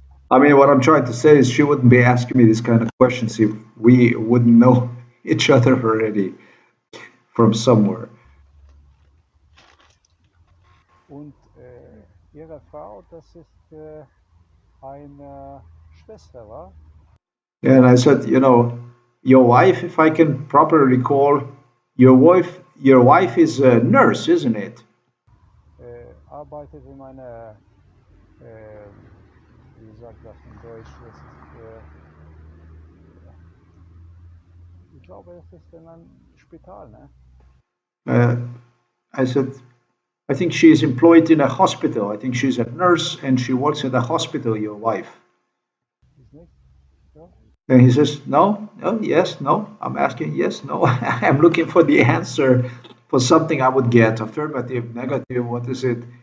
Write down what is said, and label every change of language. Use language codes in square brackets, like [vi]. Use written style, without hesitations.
[en] I mean, what I'm trying to say is she wouldn't be asking me these kind of questions if we wouldn't know each other already from somewhere. [de] Und ihre Frau, das ist eine Schwester, war? [en] And I said, you know, your wife, if I can properly recall, your wife is a nurse, isn't it? [de] Arbeitet in einer, wie sagt das in Deutsch, das ist, ich glaube, das ist in einem Spital, ne? [en] I said, I think she is employed in a hospital. I think she's a nurse and she works at a hospital, your wife. And he says, no, I'm asking yes, no. I'm looking for the answer for something I would get, affirmative, negative, what is it?